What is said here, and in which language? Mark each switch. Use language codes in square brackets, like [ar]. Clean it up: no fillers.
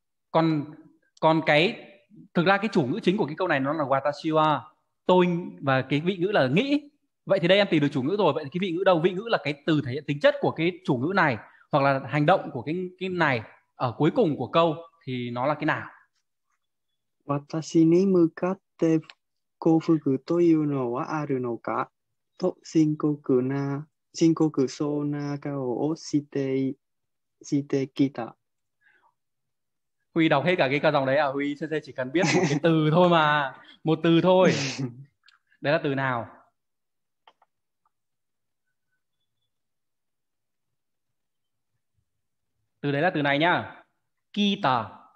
[vi] Còn còn cái thực ra cái chủ ngữ chính của cái câu này nó là [ja] watashi wa, [vi] tôi, và cái vị ngữ là nghĩ. Vậy thì đây em tìm được chủ ngữ rồi, vậy thì cái vị ngữ đâu? Vị ngữ là cái từ thể hiện tính chất của cái chủ ngữ này hoặc là hành động của cái này ở cuối cùng của câu thì nó là cái nào? [ja] Watashi ni mukatte kofuku というのはあるのかと深刻そうな顔をしてきた。 [vi] Huy đọc hết cả cái cả dòng đấy à? Huy sẽ chỉ cần biết một cái [ja] Watashi [vi] từ thôi mà, một từ thôi. [ja] ni [vi] Đấy là từ nào? Từ đấy là từ này nhá. Kita.